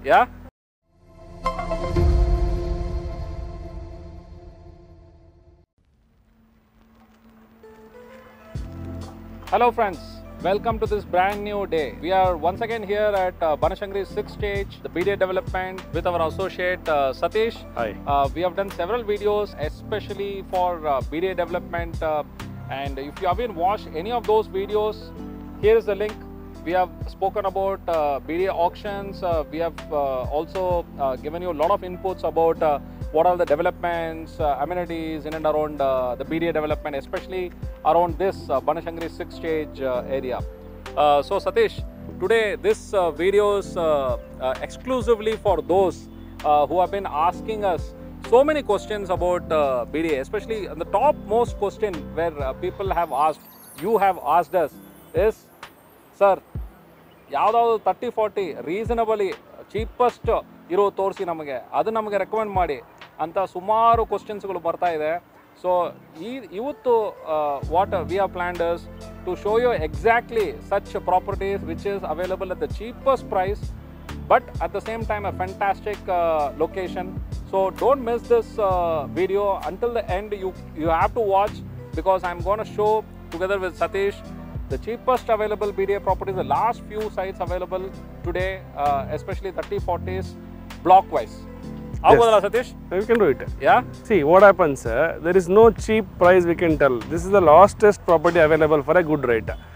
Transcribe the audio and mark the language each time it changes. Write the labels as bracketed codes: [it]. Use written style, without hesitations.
[en] Yeah hello friends, welcome to this brand new day. We are once again here at Banashankari 6th stage the BDA development with our associate Satish. We have done several videos especially for BDA development, and if you have been watch any of those videos, here is the link. We have spoken about BDA auctions, we have also given you lot of inputs about what are the developments, amenities in and around the BDA development, especially around this Banashankari 6th stage area. So Satish, today this video is exclusively for those who have been asking us so many questions about BDA, especially the top most question where people have asked, you have asked us, is sir, [kn] yavadavu 30-40 reasonably cheapest iro torsi namage, adu namage recommend maadi ಅಂತ ಸುಮಾರು ಕ್ವಶನ್ಸ್ಗಳು ಬರ್ತಾ ಇದೆ. [en] So ಈ ಇವತ್ತು what we are planning to show you exactly such properties which is available at the cheapest price but at the same time a fantastic location. So don't miss this video until the end. You have to watch because I am gonna show together with Satish the cheapest available BDA properties the last few sites available today especially 30-40s block wise. Yes. We can do it. Yeah? See, what happens, there is no cheap price we can tell. This is the lastest property available for a good rate.